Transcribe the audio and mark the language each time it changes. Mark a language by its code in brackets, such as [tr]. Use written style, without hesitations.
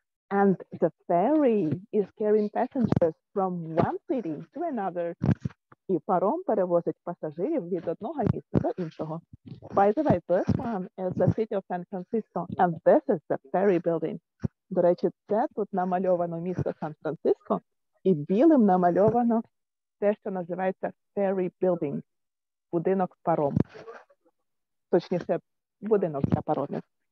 [en] And the ferry is carrying passengers from one city to another. [uk] І паром перевозить пасажирів від одного міста до іншого. [en] By the way, this one is the city of San Francisco, and this is the ferry building. [uk] До речі, це тут намальовано місто Сан-Франциско, і білим намальовано те, що називається ferry building, будинок паром. Точніше, будинок для паромів.